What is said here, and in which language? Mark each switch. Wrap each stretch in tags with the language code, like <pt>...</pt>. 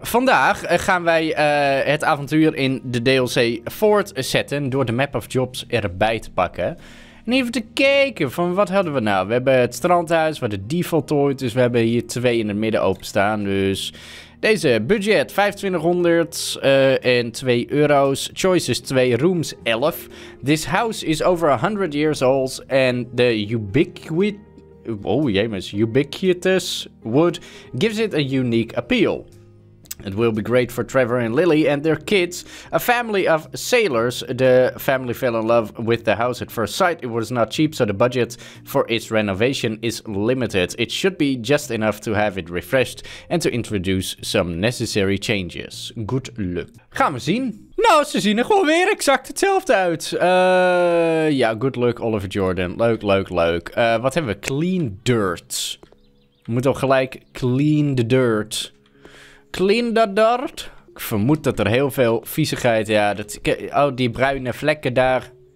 <nl>Vandaag gaan wij het avontuur in de DLC voortzetten door de Map of Jobs erbij te pakken. En even te kijken van wat hadden we nou. We hebben het strandhuis waar de default toit is. We hebben hier twee in het midden openstaan. Dus deze budget 2500 en 2 euro's.</nl> <en>Choices 2, rooms 11. This house is over 100 years old and the ubiquity. Oh, jemens. Ubiquitous wood gives it a unique appeal. It will be great for Trevor and Lily and their kids. A family of sailors. The family fell in love with the house at first sight. It was not cheap, so the budget for its renovation is limited. It should be just enough to have it refreshed and to introduce some necessary changes. Good luck.</en> <nl>Gaan we zien. Nou, ze zien er gewoon weer exact hetzelfde uit. Ja,</nl> <en>good luck,</en> <nl>Oliver Jordan. Leuk, leuk, leuk. Wat hebben we?</nl> <en>Clean dirt.</en> <nl>We moeten al gelijk</nl> <en>clean the dirt. Clean the dirt.</en> <nl>Ik vermoed dat er heel veel viezigheid... Ja, dat, oh, die bruine vlekken daar.</nl>